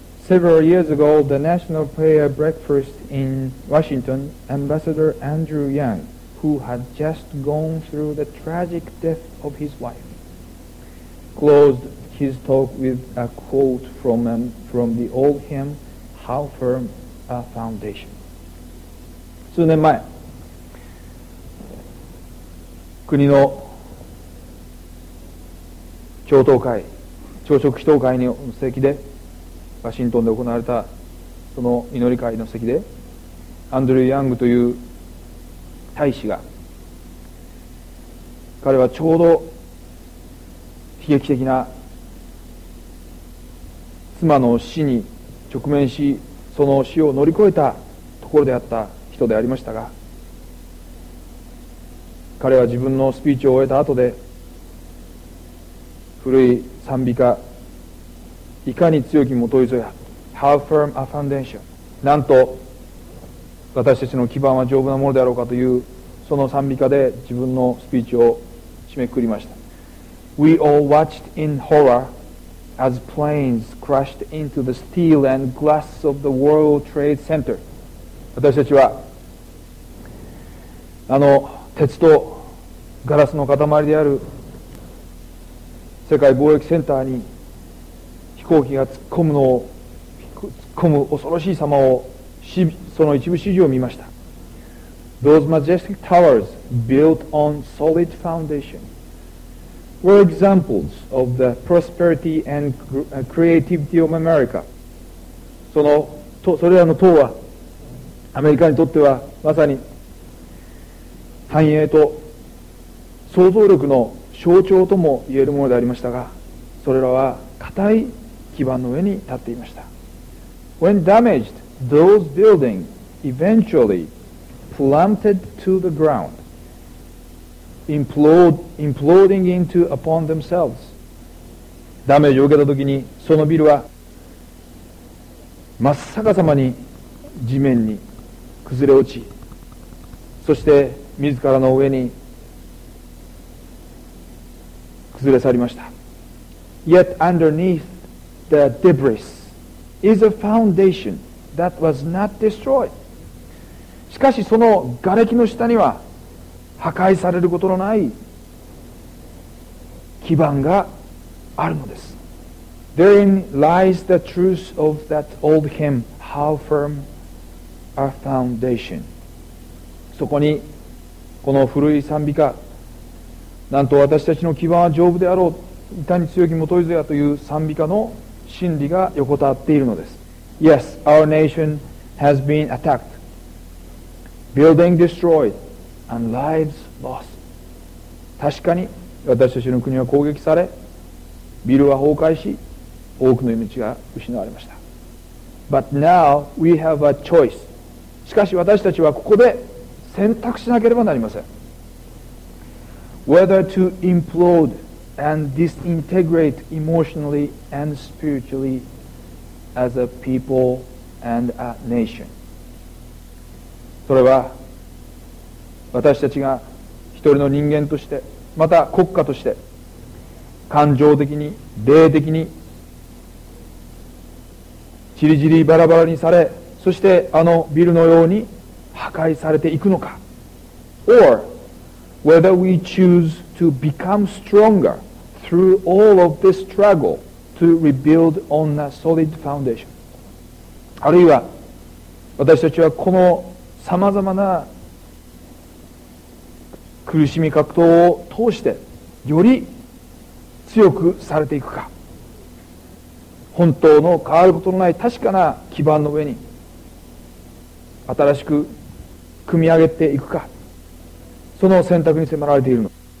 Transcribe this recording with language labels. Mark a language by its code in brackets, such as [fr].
[en] Several years ago, the National Prayer Breakfast in Washington, Ambassador Andrew Yang, who had just gone through the tragic death of his wife, closed his talk with a quote from the old hymn, How Firm a Foundation. [ja] 数年前、国の超党会、朝食祈祷会の席で、ワシントンで行われたその祈り会の席でアンドリュー・ヤングという大使が、彼はちょうど悲劇的な妻の死に直面し、その死を乗り越えたところであった人でありましたが、彼は自分のスピーチを終えた後で古い賛美歌、いかに強き基礎や、 [en] How firm a foundation、 [ja] なんと私たちの基盤は丈夫なものであろうかという、その賛美歌で自分のスピーチを締めくくりました。 [en] We all watched in horror as planes crashed into the steel and glass of the World Trade Center。 [ja] 私たちはあの鉄とガラスの塊である世界貿易センターに飛行機が突っ込む恐ろしい様を、その一部始終を見ました。 [en] Those majestic towers built on solid foundation were examples of the prosperity and creativity of America。 [ja] それらの塔はアメリカにとってはまさに繁栄と創造力の象徴とも言えるものでありましたが、それらは固い基盤の上に立っていました。 [en] When damaged, those buildings eventually plummeted to the ground, imploding into upon themselves. [ja] ダメージを受けた時にそのビルは真っ逆さまに地面に崩れ落ち、そして自らの上に崩れ去りました。 [en] Yet underneathThe debris is a foundation that was not destroyed. [ja] しかしその瓦礫の下には破壊されることのない基盤があるのです。 [en] Therein lies the truth of that old hymn, How firm our foundation. [ja] そこにこの古い賛美歌、なんと私たちの基盤は丈夫であろう、いかに強き基づであという賛美歌の真理が横たわっているのです。 [en] Yes, our nation has been attacked, building destroyed, and lives lost. [ja] 確かに私たちの国は攻撃され、ビルは崩壊し、多くの命が失われました。 [en] But now we have a choice. [ja] しかし私たちはここで選択しなければなりません。 [en] Whether to implode and disintegrate emotionally and spiritually as a people and a nation. [ja] それは私たちが一人の人間として、また国家として、感情的に霊的にちりぢりバラバラにされ、そしてあのビルのように破壊されていくのか、 [en] Or whether we choose to become stronger through all of this struggle to rebuild on a solid foundation、 [ja] あるいは私たちはこのさまざまな苦しみ格闘を通してより強くされていくか、本当の変わることのない確かな基盤の上に新しく組み上げていくか、その選択に迫られているの。